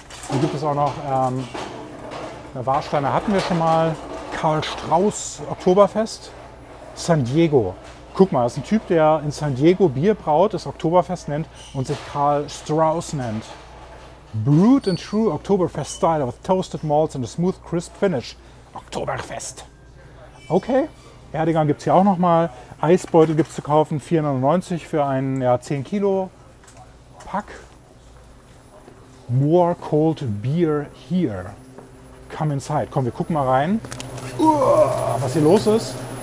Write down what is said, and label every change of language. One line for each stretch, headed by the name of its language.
German: Hier gibt es auch noch eine Warsteine, hatten wir schon mal. Karl Strauß Oktoberfest. San Diego. Guck mal, das ist ein Typ, der in San Diego Bier braut, das Oktoberfest nennt und sich Karl Strauß nennt.
English: Brewed in true Oktoberfest style with toasted malts and a smooth crisp finish.
German: Oktoberfest. Okay. Erdinger gibt es hier auch noch mal. Eisbeutel gibt es zu kaufen. 4,99 für einen, ja, 10 Kilo. Pack.
English: More cold beer here. Come inside.
German: Komm, wir gucken mal rein. Was hier los ist.